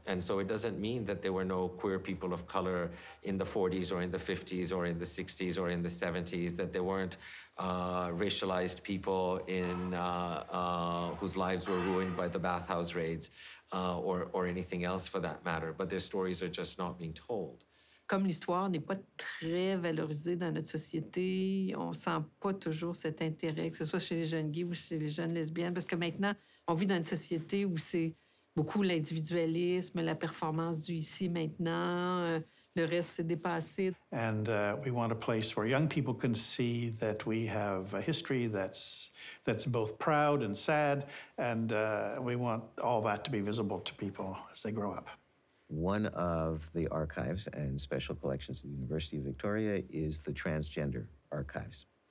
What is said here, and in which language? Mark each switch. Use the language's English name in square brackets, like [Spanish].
[English] And so it doesn't mean that there were no queer people of color in the 40s or in the 50s or in the 60s or in the 70s, that there weren't racialized people in whose lives were ruined by the bathhouse raids or anything else for that matter, but their stories are just not being told. [French] Comme l'histoire n'est pas très valorisée dans notre société, on sent pas toujours cet intérêt, que ce soit chez les jeunes gays ou chez les jeunes lesbiennes, parce que maintenant, on vit dans une société où c'est beaucoup l'individualisme, la performance du ici, maintenant, le reste s'est dépassé. [English] And we want a place where young people can see that we have a history that's both proud and sad, and we want all that to be visible to people as they grow up. One of the archives and special collections of the University of Victoria is the Transgender Archives.